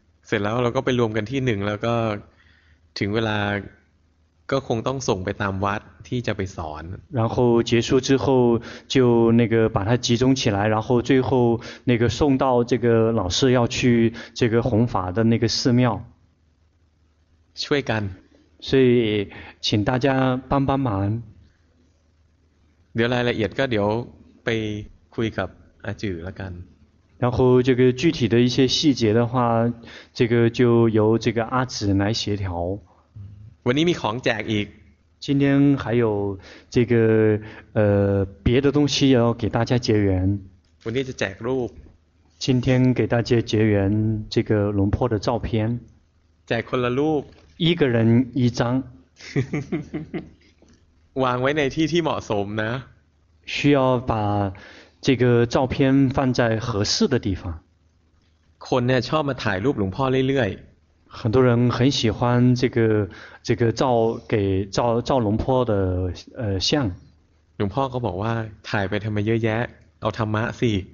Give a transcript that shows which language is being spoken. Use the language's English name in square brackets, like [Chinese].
[Thai] เสร็จแล้วเราก็ไปรวมกันที่หนึ่งแล้วก็ถึงเวลาก็คงต้องส่งไปตามวัดที่จะไปสอน [Chinese] 然后结束之后就那个把它集中起来然后最后那个送到这个老师要去这个弘法的那个寺庙 [Thai] ช่วยกัน [Chinese] 所以请大家帮帮忙 [Thai] เดี๋ยวรายละเอียดก็เดี๋ยวไปคุยกับอาจือละกัน [Chinese] 然后这个具体的一些细节的话这个就由这个阿紫来协调 [Thai] วันนี้มีของแจกอีก [Chinese] 今天还有这个别的东西要给大家结缘 [Thai] วันนี้จะแจกรูป [Chinese] 今天给大家结缘这个龙婆的照片 [Thai] แจกคนละรูป [Chinese] 一个人一张 [Thai] วางไว้ในที่ที่เหมาะสมนะ [Chinese] 需要把这个照片放在合适的地方 [Thai] คนเนี่ยชอบมาถ่ายรูปหลวงพ่อเรื่อย [Chinese] ๆ很多人很喜欢这个照给照龙坡的像 [Thai] หลวงพ่อก็บอกว่าถ่ายไปทำไมเยอะแยะเอาธรรมะสิ